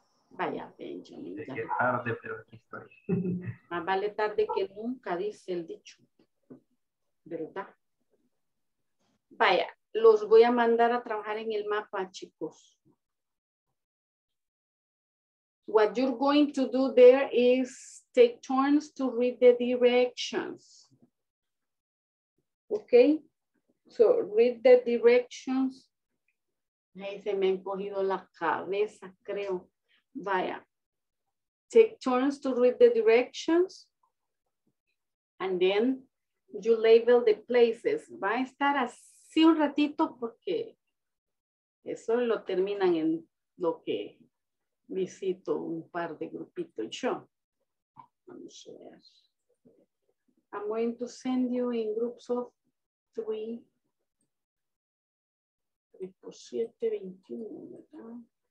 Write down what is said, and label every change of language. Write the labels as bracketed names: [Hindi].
[Spanish] Vaya, Benjamin. Es que tarde, pero aquí estoy. Más vale tarde que nunca, dice el dicho. ¿Verdad? Vaya, los voy a mandar a trabajar en el mapa, chicos. [English] What you're going to do there is take turns to read the directions. Okay? So read the directions. [Spanish] Hey, se me ha encogido la cabeza, creo. Vaya. [English] Take turns to read the directions. And then you label the places. [Spanish] Va a estar así un ratito porque eso lo terminan en lo que visito un par de grupitos. Yo. Vamos a ver. [English] I'm going to send you in groups of 3, [Spanish] 3 por 7, [English] 21.